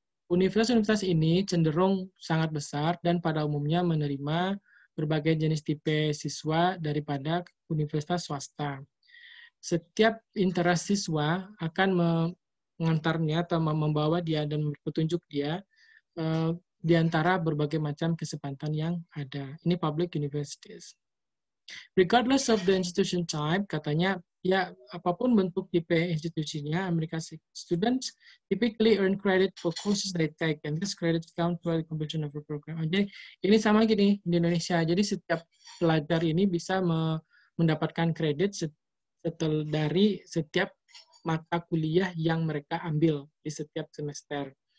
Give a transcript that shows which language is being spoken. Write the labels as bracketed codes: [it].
[id] Universitas-universitas ini cenderung sangat besar dan pada umumnya menerima berbagai jenis tipe siswa daripada universitas swasta. Setiap interest siswa akan mengantarnya atau membawa dia dan petunjuk dia di antara berbagai macam kesempatan yang ada. Ini public universities. [en] Regardless of the institution type, [id] katanya, ya, apapun bentuk tipe institusinya, [en] American students typically earn credit for courses they take, and this credit counts toward the completion of a program. [id] Jadi, ini sama gini di Indonesia. Jadi, setiap pelajar ini bisa mendapatkan kredit dari setiap mata kuliah yang mereka ambil di setiap semester.